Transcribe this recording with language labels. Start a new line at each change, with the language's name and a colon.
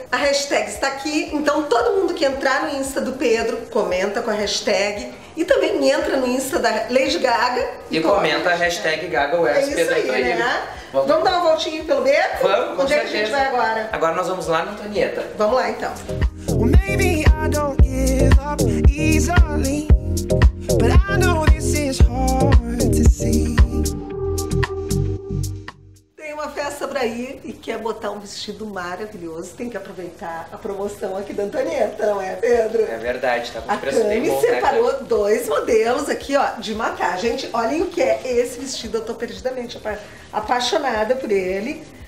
Portuguese: A hashtag está aqui, então todo mundo que entrar no Insta do Pedro, comenta com a hashtag. E também entra no Insta da Lady Gaga. E comenta a hashtag GagaWears. É isso Pedro aí, né? Vamos dar uma voltinha pelo Beco? Vamos, com onde certeza. É que a gente vai agora? Agora nós vamos lá na Antonieta. Vamos lá, então.
English: Maybe I don't give up easily, but I know this is hard to see.
Portuguese: Tem uma festa pra ir e quer botar um vestido maravilhoso, tem que aproveitar a promoção aqui da Antonieta, não é, Pedro? É verdade, tá com preço bem bom. A Cami separou dois modelos aqui, ó, de matar. Gente, olhem o que é esse vestido, eu tô perdidamente apaixonada por ele.